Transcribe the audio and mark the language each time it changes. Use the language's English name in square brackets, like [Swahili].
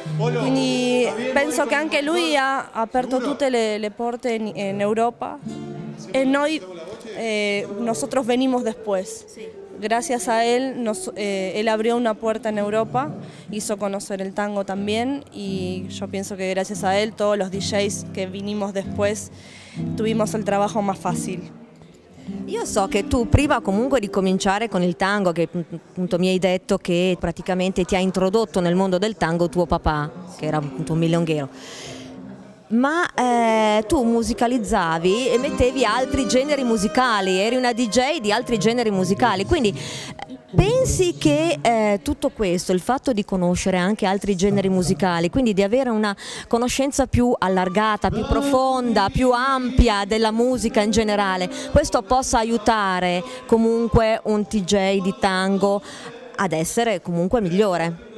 [Italian] Quindi penso che anche lui ha aperto tutte le porte in Europa e noi, [Spanish] nosotros venimos después. Gracias a él, él abrió una puerta en Europa, hizo conocer el tango también y yo pienso que gracias a él todos los DJs que vinimos después tuvimos el trabajo más fácil. [Italian] Io so che tu prima comunque di cominciare con il tango, che appunto mi hai detto che praticamente ti ha introdotto nel mondo del tango tuo papà, che era appunto un milonghero. Ma tu musicalizzavi e mettevi altri generi musicali, eri una DJ di altri generi musicali, quindi pensi che tutto questo, il fatto di conoscere anche altri generi musicali, quindi di avere una conoscenza più allargata, più profonda, più ampia della musica in generale, questo possa aiutare comunque un DJ di tango ad essere comunque migliore?